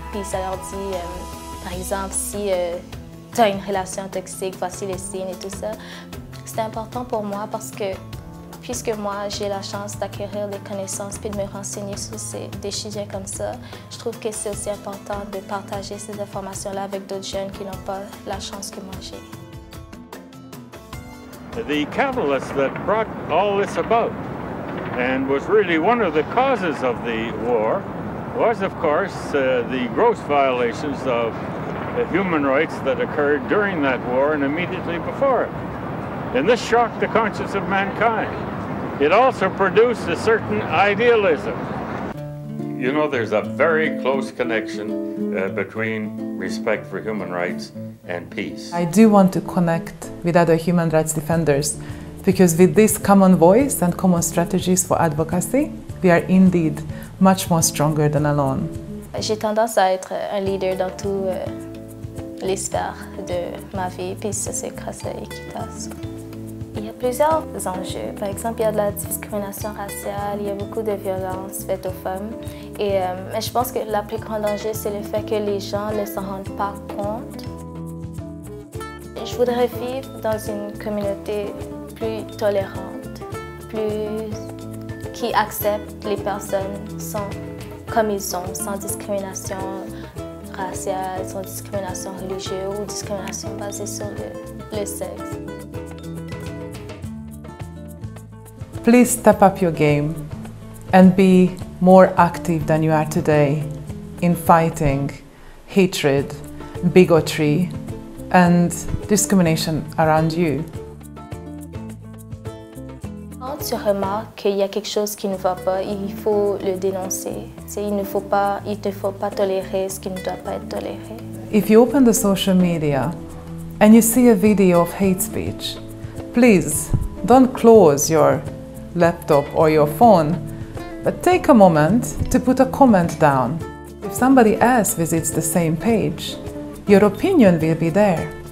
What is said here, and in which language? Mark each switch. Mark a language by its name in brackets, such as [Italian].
[French] Puis ça leur dit, par exemple, si tu as une relation toxique, voici les signes et tout ça. C'est important pour moi parce que puisque moi, j'ai la chance d'acquérir des connaissances puis de me renseigner sur des sujets comme ça, je trouve que c'est aussi important de partager ces informations-là avec d'autres jeunes qui n'ont pas la chance que moi j'ai. [English] The catalyst that brought all this about and was really one of the causes of the war was, of course, the gross violations of human rights that occurred during that war and immediately before it. And this shocked the conscience of mankind. It also produced a certain idealism. You know, there's a very close connection between respect for human rights and peace. I do want to connect with other human rights defenders because with this common voice and common strategies for advocacy, we are indeed much more stronger than alone. [French] J'ai tendance à être un leader dans tout l'espoir de ma vie, puis ça c'est grâce à Equitas. Il y a plusieurs enjeux. Par exemple, il y a de la discrimination raciale, il y a beaucoup de violences faites aux femmes. Et je pense que le plus grand danger, c'est le fait que les gens ne s'en rendent pas compte. Je voudrais vivre dans une communauté plus tolérante, plus qui accepte les personnes sans, comme ils sont, sans discrimination raciale, sans discrimination religieuse ou discrimination basée sur le sexe. [English] Please step up your game and be more active than you are today in fighting hatred, bigotry, and discrimination around you. [French] Quand tu remarques qu'il y a quelque chose qui ne va pas, il faut le dénoncer. Il ne faut pas tolérer ce qui ne doit pas être toléré. [English] If you open the social media and you see a video of hate speech, please don't close your laptop or your phone, but take a moment to put a comment down. If somebody else visits the same page, your opinion will be there.